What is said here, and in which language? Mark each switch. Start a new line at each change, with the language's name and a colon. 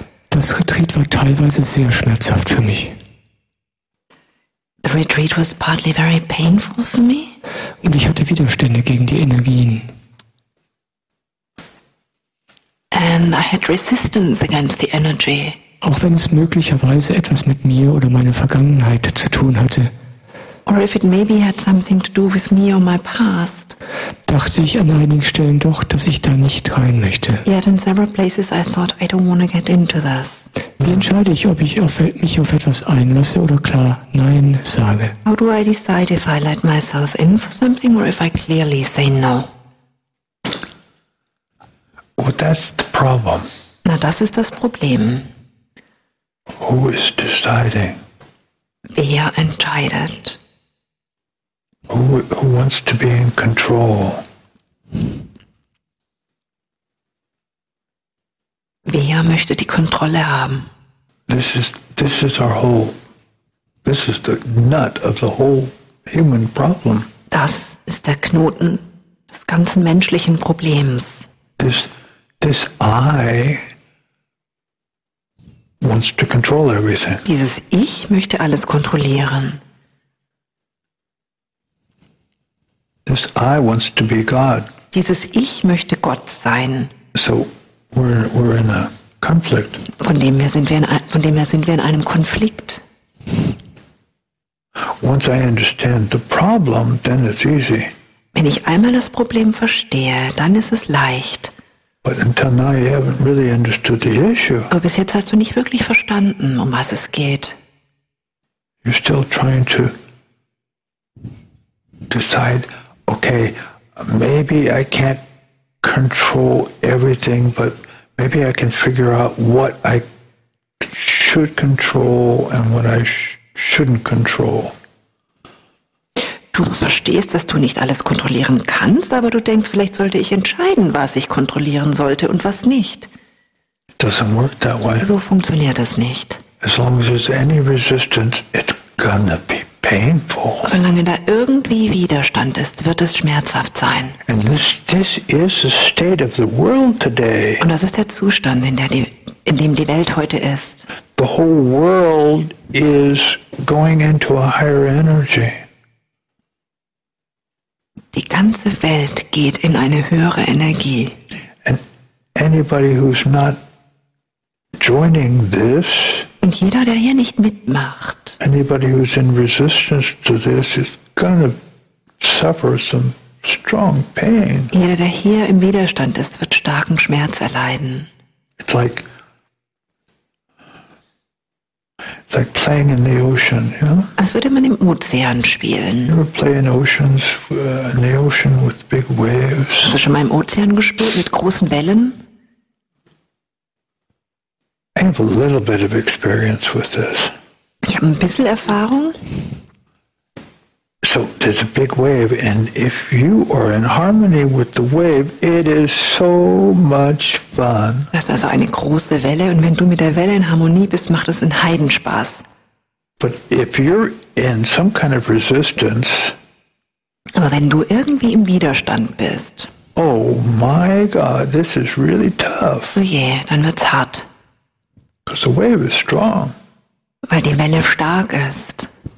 German: Das Retreat war teilweise sehr schmerzhaft für mich.
English: The retreat was partly very painful for me.
German: Und ich hatte Widerstände gegen die Energien.
English: And I had resistance against the energy.
German: Auch wenn es möglicherweise etwas mit mir oder meiner Vergangenheit zu tun hatte.
English: Or if it maybe had something to do with me or my past.
German: Dachte ich an einigen Stellen doch, dass ich da nicht rein möchte.
English: Yet in several places I thought I don't want to get into this.
German: Wie entscheide ich, ob ich mich auf etwas einlasse oder klar Nein sage?
English: How do I decide if I let myself in for something or if I clearly say no? Oh, that's the problem.
German: Na, das ist das Problem.
English: Who is deciding?
German: Wer entscheidet?
English: Who wants to be in control?
German: Wer möchte die Kontrolle haben?
English: This is our whole. This is the nut of the whole human problem.
German: Das ist der Knoten des ganzen menschlichen Problems.
English: This I wants to control everything.
German: Dieses Ich möchte alles kontrollieren.
English: This I wants to be God.
German: Dieses Ich möchte Gott sein.
English: So we're in a conflict.
German: Von dem her sind wir in einem Konflikt.
English: Once I understand the problem, then it's easy.
German: Wenn ich einmal das Problem verstehe, dann ist es leicht.
English: But until now you haven't really understood the issue.
German: Aber bis jetzt hast du nicht wirklich verstanden, um was es geht.
English: You're still trying to decide, okay, maybe I can't control everything, but maybe I can figure out what I should control and what I shouldn't control.
German: Du verstehst, dass du nicht alles kontrollieren kannst, aber du denkst, vielleicht sollte ich entscheiden, was ich kontrollieren sollte und was nicht.
English: Doesn't work that way.
German: So funktioniert das nicht.
English: As long as there's any resistance, it's gonna be painful.
German: Solange da irgendwie Widerstand ist, wird es schmerzhaft sein.
English: And this is the state of the world today.
German: Und das ist der Zustand, in dem die Welt heute ist.
English: The whole world is going into a higher energy.
German: Die ganze Welt geht in eine höhere Energie.
English: And anybody who's not joining this,
German: und jeder, der hier nicht mitmacht,
English: anybody who's in resistance to this is gonna suffer some strong pain.
German: Jeder, der hier im Widerstand ist, wird starken Schmerz erleiden.
English: It's like playing in the ocean, you know?
German: Als würde man im Ozean spielen.
English: You ever play in the ocean with big waves?
German: Hast du schon mal im Ozean gespielt mit großen Wellen?
English: I have a little bit of experience with this.
German: Ich habe ein bisschen Erfahrung.
English: So there's a big wave, and if you are in harmony with the wave, it is so much fun.
German: Das ist also eine große Welle, und wenn du mit der Welle in Harmonie bist, macht es einen Heidenspaß.
English: But if you're in some kind of resistance,
German: aber wenn du irgendwie im Widerstand bist,
English: oh my God, this is really tough. Oh yeah,
German: dann wird's hart.
English: Because the wave is strong.
German: Weil die Welle stark ist.